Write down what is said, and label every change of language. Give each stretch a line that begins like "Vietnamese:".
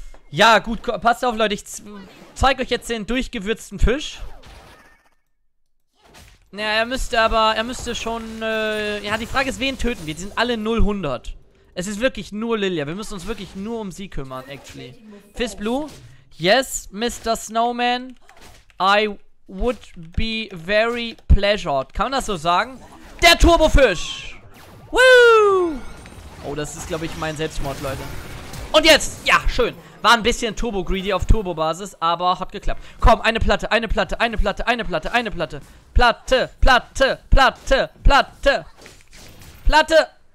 German: Ja, gut, passt auf, Leute. Ich zeige euch jetzt den durchgewürzten Fisch. Naja, er müsste aber, er müsste schon, ja, die Frage ist, wen töten wir? Die sind alle 0-100. Es ist wirklich nur Lilia. Wir müssen uns wirklich nur um sie kümmern, actually.
English: Fizz Blue. Yes, Mr. Snowman. I would be very pleasured.
German: Kann man das so sagen? Der Turbofisch. Woo! Oh, das ist, glaube ich, mein Selbstmord, Leute. Und jetzt. Ja, schön. War ein bisschen Turbo-Greedy auf Turbo-Basis, aber hat geklappt. Komm, eine Platte, eine Platte, eine Platte, eine Platte, eine Platte. Platte, Platte, Platte, Platte. Platte.